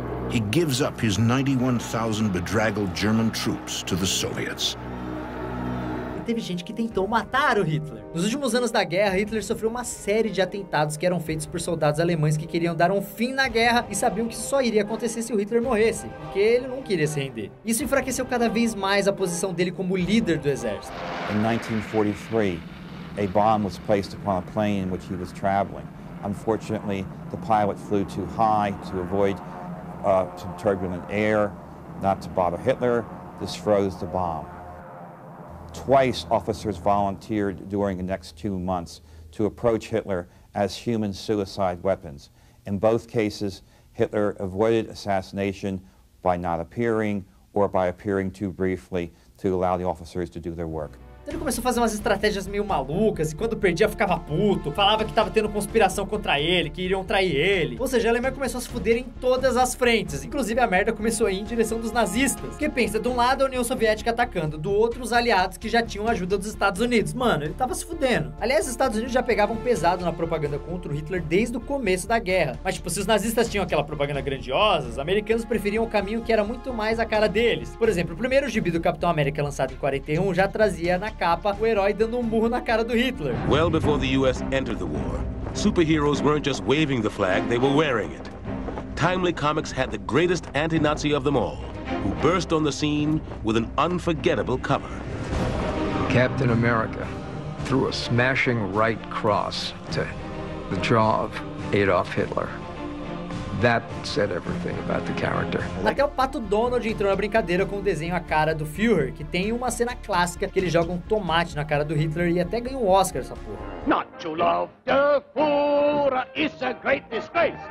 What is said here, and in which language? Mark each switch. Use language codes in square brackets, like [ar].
[en] He gives up his 91,000 bedraggled German troops to the Soviets. [pt] Teve gente que tentou matar o Hitler. Nos últimos anos da guerra, Hitler sofreu uma série de atentados que eram feitos por soldados alemães que queriam dar um fim na guerra e sabiam que só iria acontecer se o Hitler morresse, porque ele não queria se render. Isso enfraqueceu cada vez mais a posição dele como líder do exército. [en] Em 1943, a bomb was placed upon a plane in which he was traveling. Unfortunately, the pilot flew too high to avoid turbulent air. not to bother Hitler. This froze the bomb. Twice, officers volunteered during the next 2 months to approach Hitler as human suicide weapons. In both cases, Hitler avoided assassination by not appearing or by appearing too briefly to allow the officers to do their work. [pt] Ele começou a fazer umas estratégias meio malucas, e quando perdia ficava puto, falava que estava tendo conspiração contra ele, que iriam trair ele. Ou seja, a Alemanha começou a se fuder em todas as frentes, inclusive a merda começou a ir em direção dos nazistas. Porque pensa, de um lado a União Soviética atacando, do outro os aliados que já tinham a ajuda dos Estados Unidos. Mano, ele tava se fudendo. Aliás, os Estados Unidos já pegavam pesado na propaganda contra o Hitler desde o começo da guerra. Mas tipo, se os nazistas tinham aquela propaganda grandiosa, os americanos preferiam o caminho que era muito mais a cara deles. Por exemplo, o primeiro gibi do Capitão América lançado em 41 já trazia na capa o herói dando um murro na cara do Hitler. [en] Well before the US entered the war, superheroes weren't just waving the flag, they were wearing it. Timely Comics had the greatest anti-Nazi of them all, who burst on the scene with an unforgettable cover. Captain America threw a smashing right cross to the jaw of Adolf Hitler. That said everything about the character. [pt] Até o Pato Donald entrou na brincadeira com o desenho A Cara do Führer, que tem uma cena clássica que ele joga um tomate na cara do Hitler e até ganha um Oscar essa porra. [en] Not to love the Führer is a great disgrace.